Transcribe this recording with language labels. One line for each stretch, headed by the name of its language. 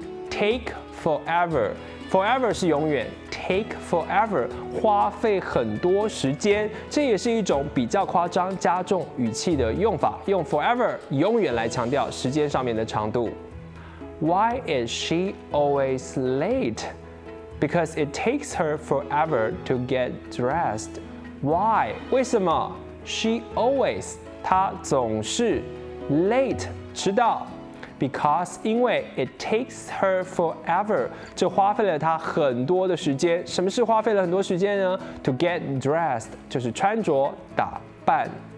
English: Take forever。
Chinese: Forever 是永远 ，
English: Take forever
Chinese: 花费很多时间，这也是一种比较夸张、加重语气的用法，用 forever 永远来强调时间上面的长度。
English: Why is she always late? Because it takes her forever to get dressed. Why?
Chinese: 为什么 ？
English: She always
Chinese: 她总是 late 迟到。 because 因为
English: it takes her forever
Chinese: 就花费了她很多的时间。什么是花费了很多时间呢？
English: To get dressed
Chinese: 就是穿着打扮。